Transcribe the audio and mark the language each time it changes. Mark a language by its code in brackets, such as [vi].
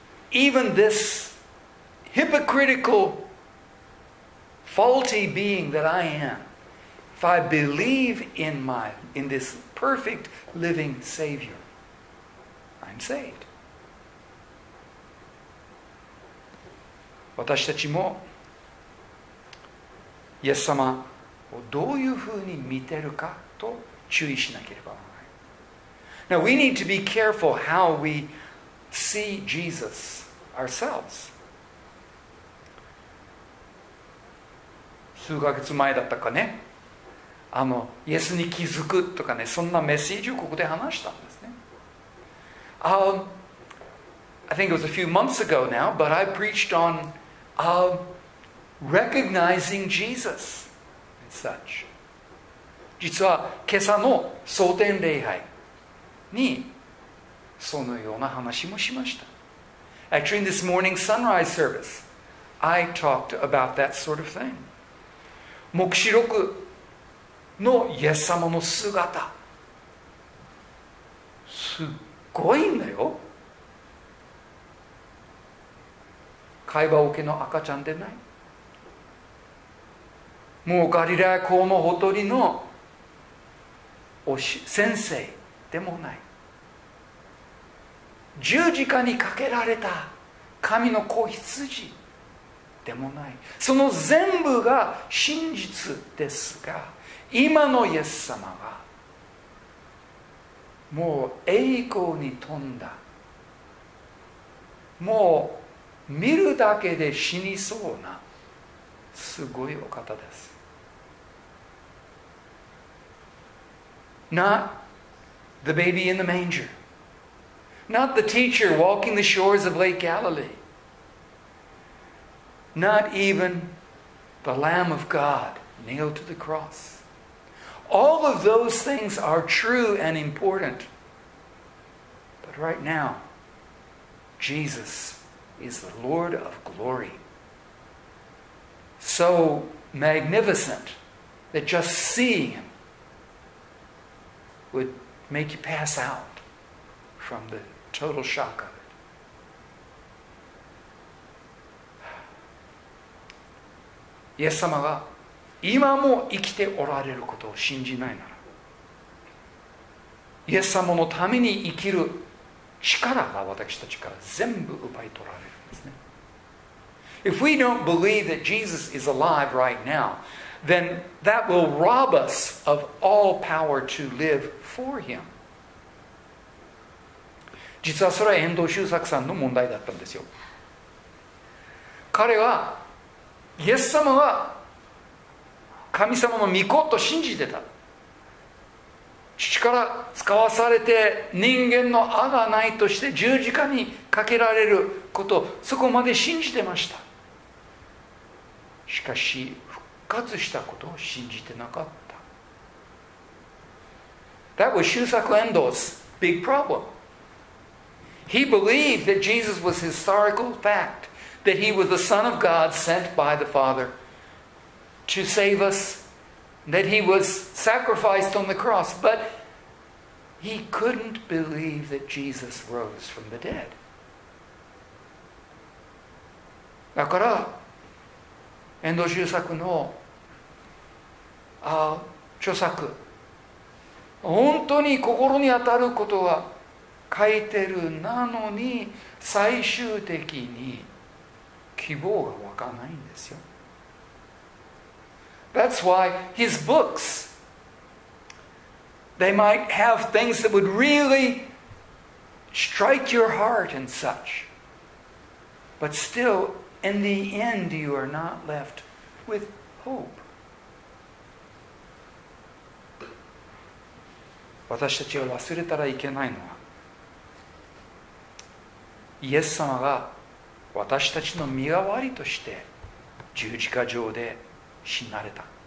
[en] But even this hypocritical, faulty being that I am, if I believe in this perfect living Savior, I'm saved. [ja] 私たちもイエス様をどういうふうに見てるかと注意しなければならない。 [en] Now we need to be careful how we see Jesus ourselves. [ja] 数ヶ月前だったかね、イエスに気づくとかね、そんなメッセージをここで話したんですね。 [en] I think it was a few months ago now, but I preached on recognizing Jesus and such. [ja] 実は今朝の蒼天礼拝にそのような話もしました。 [en] Actually, in this morning sunrise service, I talked about that sort of thing. [ja] 黙示録のイエス様の姿、すっごいんだよ。会話桶の赤ちゃんでない。もうガリラヤ湖のほとりの先生でもない。十字架にかけられた神の子羊でもない。その全部が真実ですが、今のイエス様はもう栄光に富んだ、もう見るだけで死にそうなすごいお方です。 [en] Not the baby in the manger, not the teacher walking the shores of Lake Galilee, not even the Lamb of God nailed to the cross. All of those things are true and important, but right now JesusIs the Lord of glory. So magnificent that just seeing him would make you pass out from the total shock of it. [ja] イエス様が今も生きておられることを信じないなら、イエス様のために生きる力が私たちから全部奪い取られる。 [en] If we don't believe that Jesus is alive right now, then that will rob us of all power to live for him. [ja] 実はそれは遠藤周作さんの問題だったんですよ。彼はイエス様は神様の御子と信じてた。父から使わされて人間の贖いとして十字架にかけられること、そこまで信じてました。しかし復活したことを信じてなかった。 [en] That was 周作遠藤's big problem. He believed that Jesus was historical fact, that he was the Son of God sent by the Father to save us, that he was sacrificed on the cross, but he couldn't believe that Jesus rose from the dead. [ja] だから遠藤周作の著作、本当に心に当たることは書いてるなのに、最終的に希望が湧かないんですよ。 [en] That's why his books, they might have things that would really strike your heart and such. But still, in the end, you are not left with hope. [ja] 私たちが忘れたらいけないのは、イエス様が私たちの身代わりとして十字架上で死なれた。